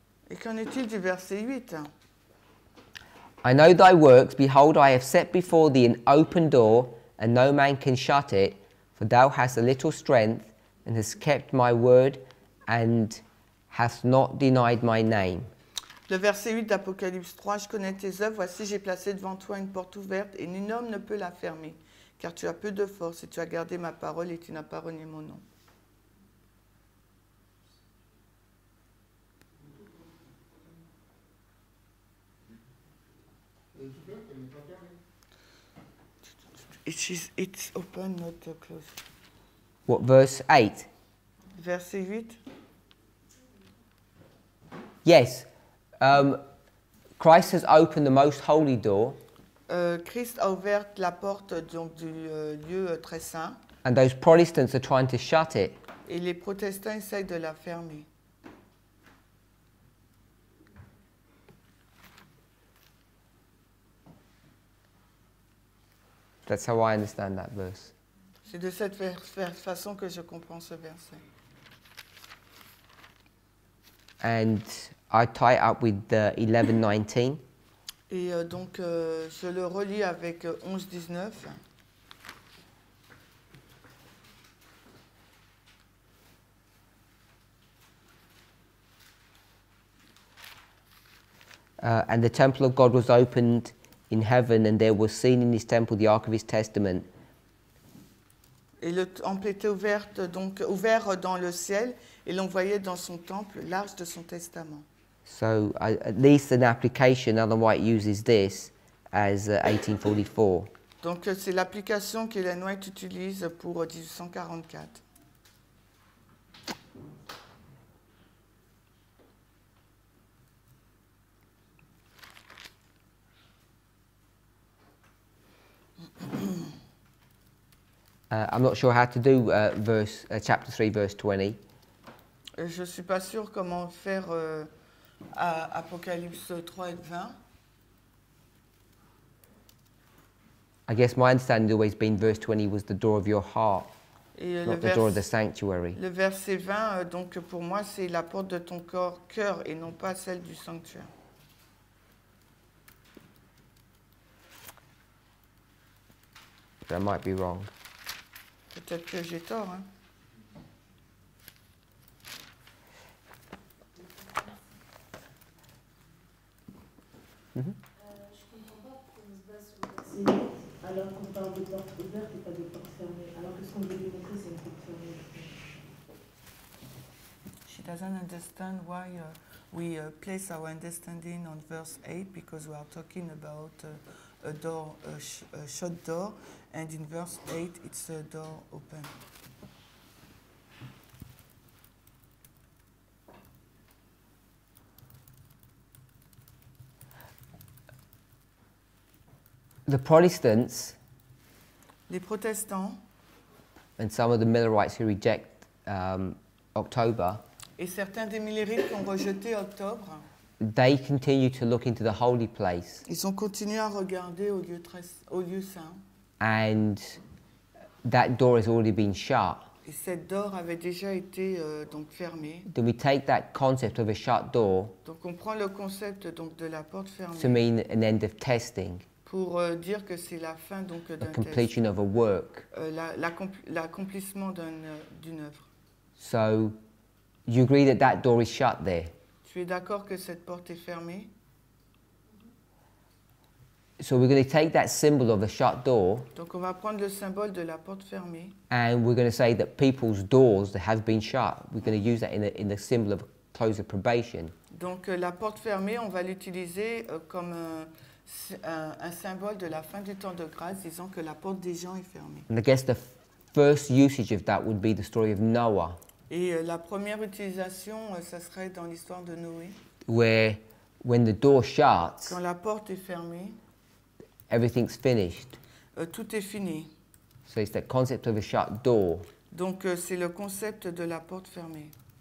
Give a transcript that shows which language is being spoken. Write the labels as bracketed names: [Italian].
[French] Et qu'en est-il du verset 8? [English] I know thy works, behold, I have set before thee an open door, and no man can shut it, for thou hast a little strength, and hast kept my word, and hast not denied my name. [French] Le verset 8 d'Apocalypse 3, je connais tes œuvres, voici j'ai placé devant toi une porte ouverte, et nul homme ne peut la fermer, car tu as peu de force, et tu as gardé ma parole, et tu n'as pas renié mon nom. [English] It's open, not closed. What, verse 8? [French] Verset 8. [English] Yes. Christ has opened the most holy door. [French] Christ a ouvert la porte donc, du lieu très saint. [English] And those Protestants are trying to shut it. [French] Et les protestants essayent de la fermer. [English] That's how I understand that verse. [French] C'est de cette façon que je comprends ce verset. [English] And I tie it up with 11:19. [French] Et donc je le relis avec 11:19. [English] And the temple of God was opened in heaven, and there was seen in his temple the ark of his testament, [French] Et le temple était ouverte, donc ouvert dans le ciel, et l'on voyait dans son temple l'arche de son testament. [English] So at least an application, Ellen White uses this as 1844. [French] Donc c'est l'application qu'Ellen White utilise pour 1844. [English] I'm not sure how to do chapter 3, verse 20. [French] Je suis pas sûr comment faire à Apocalypse 3 et 20. [English] I guess my understanding has always been verse 20 was the door of your heart, [French] et [English] not the door of the sanctuary. [French] Le verset 20, donc pour moi, c'est la porte de ton corps, cœur, et non pas celle du sanctuaire. [English] But I might be wrong. [French] Peut-être que j'ai tort, hein? Je comprends pas pourquoi on se base sur le verset 8 alors qu'on parle de porte ouverte et pas de porte fermée. Alors que ce qu'on veut démontrer, c'est une porte fermée. [English] She doesn't understand why we place our understanding on verse 8 because we are talking about a door, a shut door, and in verse 8 it's a door open. The Protestants, [French] les Protestants, [English] and some of the Millerites who reject October, [French] et certains des Millerites qui ont rejeté octobre, [English] they continue to look into the holy place. [French] Ils ont continué à regarder au lieu très, au lieu saint. [English] And that door has already been shut. [French] Et cette door avait déjà été donc fermée. [English] Then we take that concept of a shut door. [French] Donc on prend le concept donc de la porte fermée. [English] To mean an end of testing. [French] Pour dire que c'est la fin donc d'un test. [English] A completion of a work. [French] L'accomplissement d'une œuvre. [English] So you agree that that door is shut there. [French] Tu es d'accord que cette porte est fermée? [English] So we're going to take that symbol of the shut door. [French] Donc on va prendre le symbole de la porte fermée. [English] And we're going to say that people's doors that have been shut, we're going to use that in the symbol of close of probation. [French] Donc la porte fermée, on va l'utiliser comme un symbole de la fin du temps de grâce, disant que la porte des gens est fermée. [English] And I guess the first usage of that would be the story of Noah. [French] Et la première utilisation, ça serait dans l'histoire de Noé. [English] Where, when the door shuts, [French] quand la porte est fermée, [English] everything's finished. [French] Tout est fini. [English] So it's the concept of a shut door. [French] Donc c'est le concept de la porte fermée.